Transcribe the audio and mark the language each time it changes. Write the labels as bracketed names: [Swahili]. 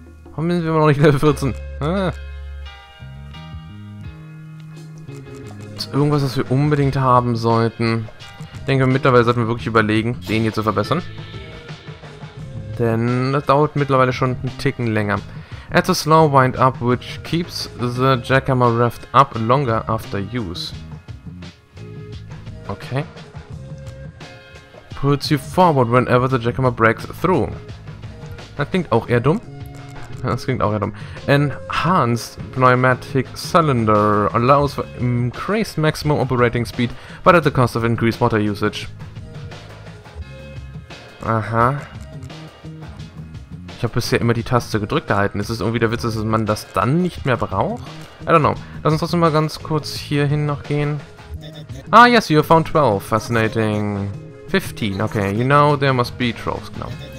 [German] Warum sind wir noch nicht Level 14? Irgendwas, was wir unbedingt haben sollten. Ich denke, mittlerweile sollten wir wirklich überlegen, den hier zu verbessern. Denn das dauert mittlerweile schon einen Ticken länger. [English] Add a slow wind up, which keeps the Jackhammer Raft up longer after use. Okay. Puts you forward whenever the Jackhammer breaks through. [German] Das klingt auch eher dumm. [English] Enhanced pneumatic cylinder allows for increased maximum operating speed, but at the cost of increased water usage. Aha. [German] Ich habe bisher immer die Taste gedrückt gehalten. Ist es irgendwie der Witz, dass man das dann nicht mehr braucht? [English] I don't know. [German] Lass uns trotzdem mal ganz kurz hierhin noch gehen. [English] Ah, yes, you have found 12. Fascinating. 15, okay. You know there must be trolls, genau.